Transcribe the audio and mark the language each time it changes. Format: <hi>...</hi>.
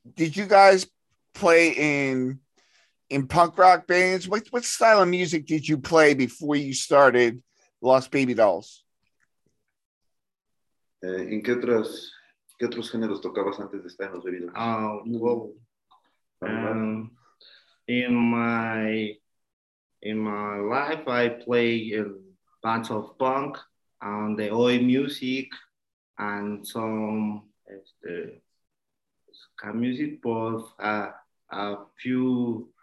<en>did you guys play in punk rock bands? What style of music did you play before you started Lost Baby Dolls?</en> <es>In que otros... ¿Qué otros géneros tocabas antes de estar en los bebidos?</es> <en>In my life, I play bands of punk and the oi music and some ska music, but a few.</en>